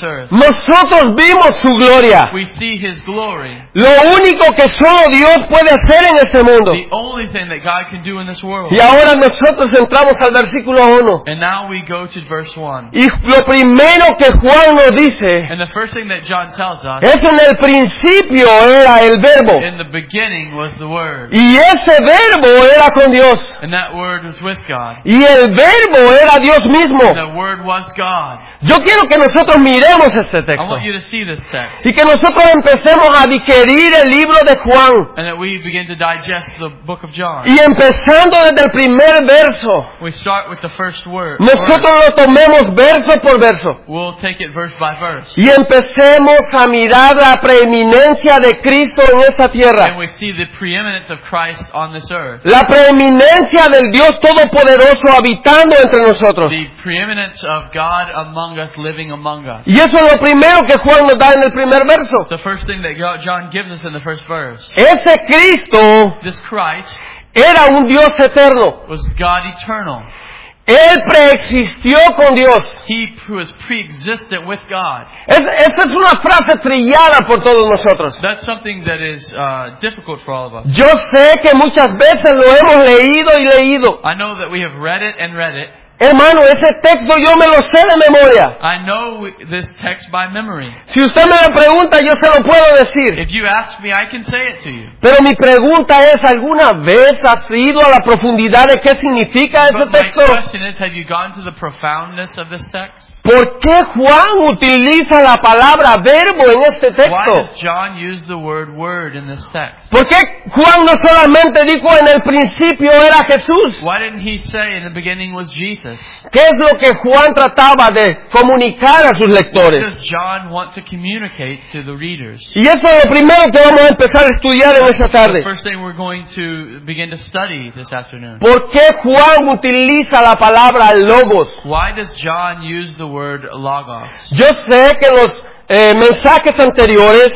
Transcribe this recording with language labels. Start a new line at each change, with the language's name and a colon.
Spanish: Nosotros vimos su gloria.
English: We see his glory.
Spanish: Lo único que solo Dios puede hacer en este mundo.
English: The only thing that God can do in this world.
Spanish: Y ahora nosotros entramos al versículo 1.
English: And now we go to verse 1.
Spanish: Y lo primero que Juan nos dice,
English: and the first thing that John tells us,
Spanish: es en el principio era el verbo.
English: In the beginning was the word.
Spanish: Y ese verbo era con Dios.
English: And that word was with God.
Spanish: Y el verbo era Dios mismo.
English: And the word was God.
Spanish: Yo quiero que nosotros miremos este texto.
English: I want you to see this text.
Spanish: Y que nosotros empecemos a digerir el libro de Juan.
English: And that we begin to digest the book of John.
Spanish: Y empezando desde el primer verso.
English: We start with the first word.
Spanish: Nosotros lo tomemos verso por verso.
English: We'll take it verse by verse.
Spanish: Y empecemos a mirar la preeminencia de Cristo en esta tierra.
English: And we see the preeminence of Christ on this.
Spanish: La preeminencia del Dios Todopoderoso habitando entre nosotros.
English: The preeminence of God among us, living among us.
Spanish: Y eso es lo primero que Juan nos da en el primer verso.
English: The first thing that John gives us in the first verse.
Spanish: Ese Cristo,
English: this Christ,
Spanish: era un Dios eterno.
English: Was God eternal.
Spanish: Él preexistió con Dios.
English: He was pre-existent with God.
Spanish: Esta es una frase trillada por todos nosotros.
English: That's something that is difficult for all of us.
Spanish: Yo sé que muchas veces lo hemos leído y leído.
English: I know that we have read it and read it.
Spanish: Hermano, ese texto yo me lo sé de memoria.
English: I know this text by memory.
Spanish: Si usted me lo pregunta, yo se lo puedo decir.
English: If you ask me, I can say it to you.
Spanish: Pero mi pregunta es, ¿alguna vez has ido a la profundidad de qué significa ese texto?
English: But my question is, have you gone to the profoundness of this text?
Spanish: ¿Por qué Juan utiliza la palabra verbo en este texto?
English: Why does John use the word word in this text?
Spanish: ¿Por qué Juan no solamente dijo en el principio era Jesús?
English: Why didn't he say in the beginning was Jesus?
Spanish: ¿Qué es lo que Juan trataba de comunicar a sus lectores?
English: What does John want to communicate to the readers?
Spanish: Y eso es lo primero que vamos a empezar a estudiar en esta tarde.
English: The first thing we're going to begin to study this afternoon.
Spanish: ¿Por qué Juan utiliza la palabra logos?
English: Why does John use the word logos?
Spanish: Yo sé que los mensajes anteriores.